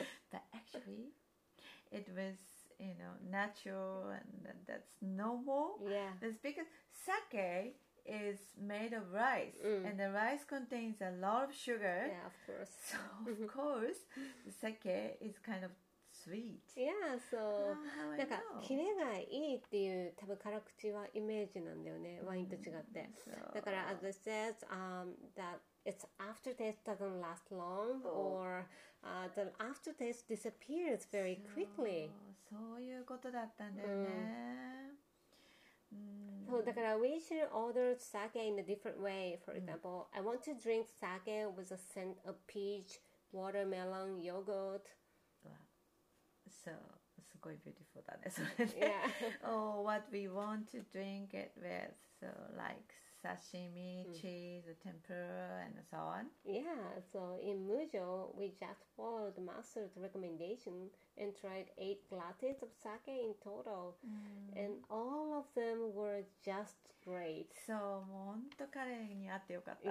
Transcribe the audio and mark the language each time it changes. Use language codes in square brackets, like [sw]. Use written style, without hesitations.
[en] But actually, it was, you know, natural and that's normal. Yeah. That's because sake... is made of rice and the rice contains a lot of sugar. Yeah, of course. So of course, the sake is kind of sweet. Yeah, so [ja] なんかキレがいいっていう多分辛口はイメージなんだよね、ワインと違って。だから [en] as I said, that its aftertaste doesn't last long or the aftertaste disappears very quickly. [ja] そういうことだったんだよね。 [en] So, [ja] だから [en] we should order sake in a different way. For example, I want to drink sake with a scent of peach, watermelon, yogurt. Wow. So, [ja] すごい [en] beautiful [ja] だね、それで。 [en] Yeah. Or what we want to drink it with. So, like sashimi, cheese, tempura, and so on. Yeah, so in Mujo, we just followed the master's recommendation and tried 8 glasses of sake in total. And all of them were just great. [ja] So, もう本当彼に会ってよかった。